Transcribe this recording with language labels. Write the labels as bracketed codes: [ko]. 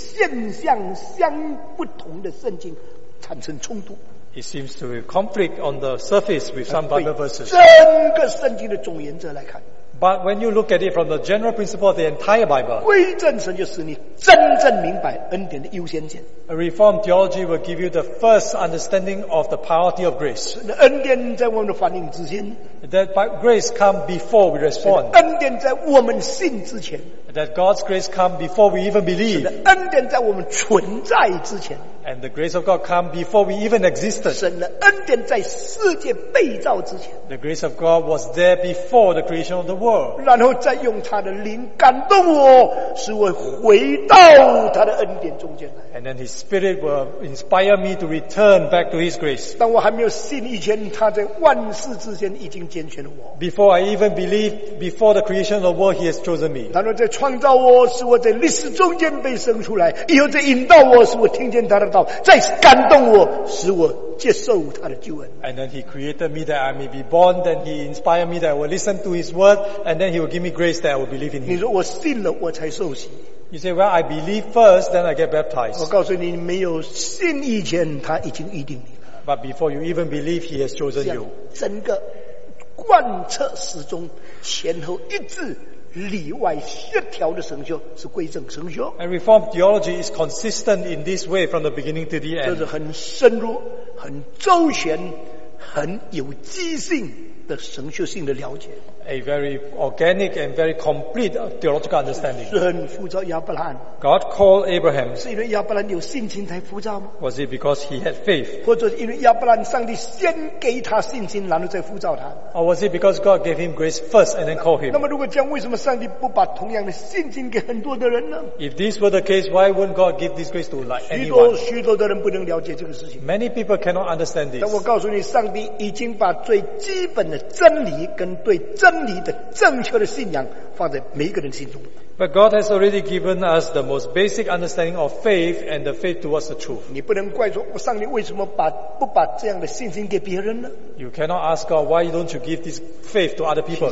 [zh] 它可以好像跟有现象相不同的圣经。产生冲突， [en] It seems to be conflict on the surface with some Bible verses. [zh] 整个圣经的总原则来看， [en] But when you look at it from the general principle of the entire Bible, [zh] 归正神就使你真正明白恩典的优先权。 [en] A Reformed theology will give you the first understanding of the priority of grace. [zh] 恩典在我们的反应之前， [en] That grace come before we respond. [zh] 恩典在我们信之前， [en] That God's grace come before we even believe. [zh] 恩典在我们存在之前， [en] And the grace of God came before we even existed. [zh] 神的恩典在世界被造之前。 [en] The grace of God was there before the creation of the world. [zh] 然后再用他的灵感动我，使我回到他的恩典中间来。 [en] And then His Spirit will inspire me to return back to His grace. [zh] 当我还没有信以前，他在万事之前已经拣选了我。 [en] Before I even believe, before the creation of the world, He has chosen me. [zh] 然后在创造我，使我在历史中间被生出来，以后在引导我，使我听见他的道，再感动我，使我接受他的救恩。 [en] And then He created me that I may be born. Then He inspired me that I will listen to His word, and then He will give me grace that I will believe in Him. [zh] 你说我信了，我才受洗。 [en] You say, well, I believe first, then I get baptized. [zh] 我告诉你，没有信以前，他已经预定你。 [en] But before you even believe, He has chosen you. [zh] 整个贯彻始终，前后一致，里外协调的神学是归正神学。 [en] And Reformed theology is consistent in this way from the beginning to the end. [zh] 就是很深入、很周全、很有机性的神学性的了解。 [en] A very organic and very complete theological understanding. [zh] 神呼召亚伯兰。 [en] God called Abraham. [zh] 是因为亚伯兰有信心才呼召吗？ [en] Was it because he had faith? [zh] 或者因为亚伯兰上帝先给他信心，然后再呼召他？ [en] Or was it because God gave him grace first and then called him? [zh] 那么如果这样，为什么上帝不把同样的信心给很多的人呢？ [en] If this were the case, why wouldn't God give this grace to like anyone? [zh] 许多的人不能了解这个事情。 [en] Many people cannot understand this. [zh] 但我告诉你，上帝已经把最基本的真理跟对真理的正确的信仰放在每一个人心中。 [en] But God has already given us the most basic understanding of faith and the faith towards the truth. [zh] 你不能怪说上帝为什么不把这样的信心给别人呢？ [en] You cannot ask God why don't you give this faith to other people.